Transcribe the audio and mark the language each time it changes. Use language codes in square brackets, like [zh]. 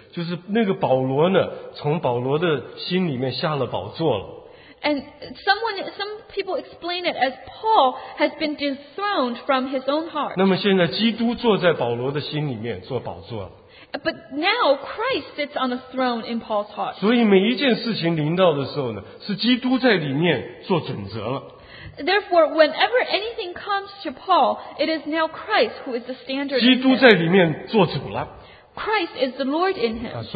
[zh] 就是那个保罗呢，从保罗的心里面下了宝座了。 [en] And some people explain it as Paul has been dethroned from his own heart. [zh] 那么现在基督坐在保罗的心里面做宝座了。 [en] But now Christ sits on the throne in Paul's heart. [zh] 所以每一件事情临到的时候呢，是基督在里面做准则了。 [en] Therefore, whenever anything comes to Paul, it is now Christ who is the standard. [zh] 基督在里面做主了。 [en] Christ is the Lord in him.